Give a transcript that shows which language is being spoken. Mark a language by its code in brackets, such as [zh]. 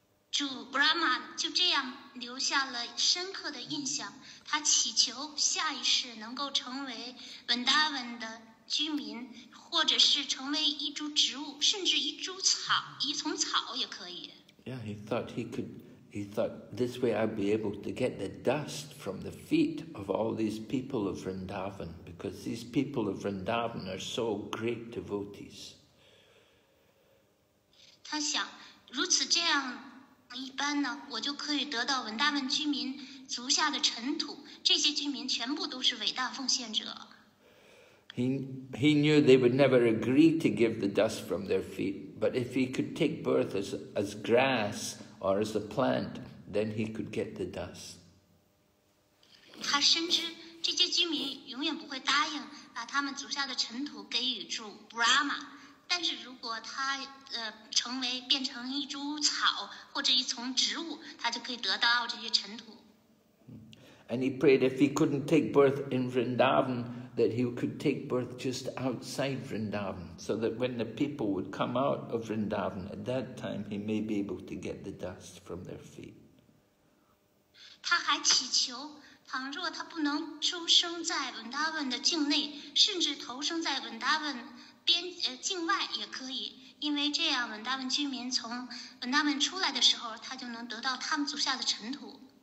[zh] 主 Brahma 就这样留下了深刻的印象，他祈求下一世能够成为 Vrindavan 的居民，或者是成为一株植物，甚至一株草，一丛草也可以。 [en] Yeah, he thought he could. He thought this way I'd be able to get the dust from the feet of all these people of Vrindavan, because these people of Vrindavan are so great devotees. [zh] 他想，如此这样一般呢，我就可以得到文大文居民足下的尘土。这些居民全部都是伟大奉献者。 [en] He knew they would never agree to give the dust from their feet, but if he could take birth as grass or as a plant, then he could get the dust. [zh] 他深知这些居民永远不会答应把他们足下的尘土给予主 Brahma， 但是如果他变成一株草或者一丛植物，他就可以得到这些尘土。 [en] And he prayed if he couldn't take birth in Vrindavan, that he could take birth just outside Vrindavan, so that when the people would come out of Vrindavan, at that time he may be able to get the dust from their feet. [zh] 他还祈求，倘若他不能出生在 Vrindavan 的境内，甚至投生在 Vrindavan 境外也可以，因为这样 Vrindavan 居民从 Vrindavan 出来的时候，他就能得到他们足下的尘土。